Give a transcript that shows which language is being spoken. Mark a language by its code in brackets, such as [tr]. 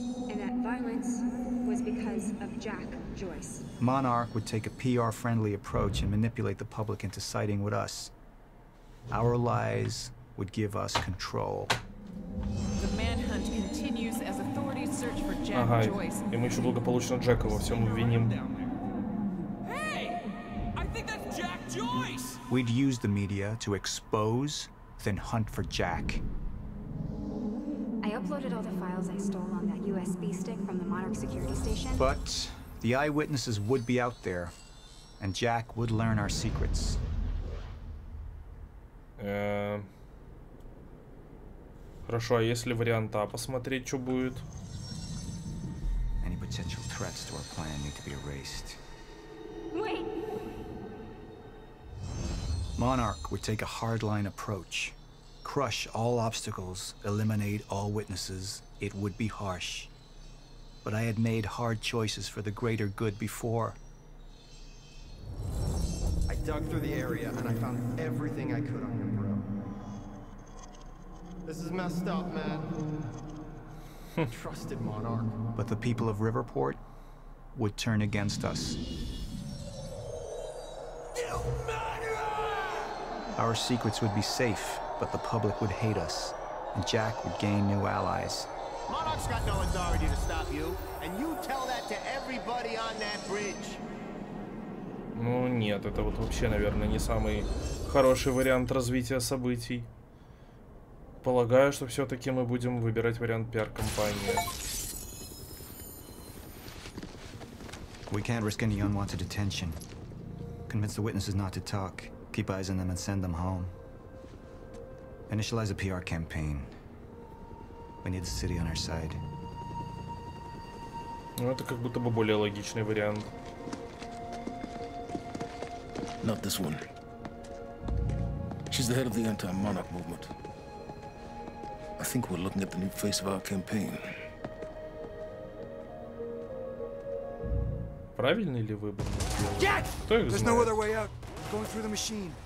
[en] And that violence was because of Jack Joyce. Monarch would take a PR-friendly approach and manipulate the public into siding with us. Our lies would give us control. The manhunt continues as authorities search for Jack Joyce. [ru] И мы еще благополучно Джека во всем обвиним. [en] Hey! I think that's Jack Joyce! We'd use the media to expose, then hunt for Jack. I uploaded all the files I stole on that USB stick from the Monarch security station. But the eyewitnesses would be out there, and Jack would learn our secrets. [ru] Хорошо, а если варианта посмотреть, что будет? [en] Any potential threats to our plan need to be erased. Wait! Monarch would take a hardline approach. Crush all obstacles, eliminate all witnesses, it would be harsh. But I had made hard choices for the greater good before. I dug through the area and I found everything I could on your bro. This is messed up, man. Trusted Monarch. But the people of Riverport would turn against us. You murderer! Our secrets would be safe. But the public would hate us, and Jack would gain new allies. Monarch's got no authority to stop you, and you tell that to everybody on that bridge. [ru] Ну нет, это вот вообще, наверное, не самый хороший вариант развития событий. Полагаю, что все-таки мы будем выбирать вариант пиар-компании. [en] We can't risk any unwanted attention. Convince the witnesses not to talk. Keep eyes on them and send them home. Initialize a PR campaign. We need the city on our side. [ru] Ну, это как будто бы более логичный вариант. [en] Not this one. She's the head of the anti-monarch movement. I think we're looking at the new face of our campaign. [ru] Правильный ли выбор? [en] Jack! [ru] Кто их [en] There's [ru] знает? [en] No other way out. We're going through the machine.